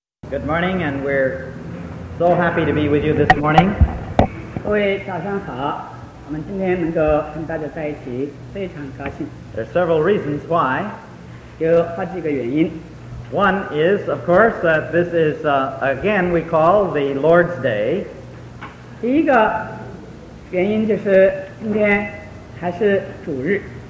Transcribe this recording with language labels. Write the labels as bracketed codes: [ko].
[en] Good morning, and we're so happy to be with you this morning. [zh] 各位早上好，我们今天能够跟大家在一起，非常高兴。 [en] There are several reasons why. [zh] 有好几个原因。 [en] One is, of course, that this is, again, we call the Lord's Day. [zh] 第一个原因就是今天还是主日。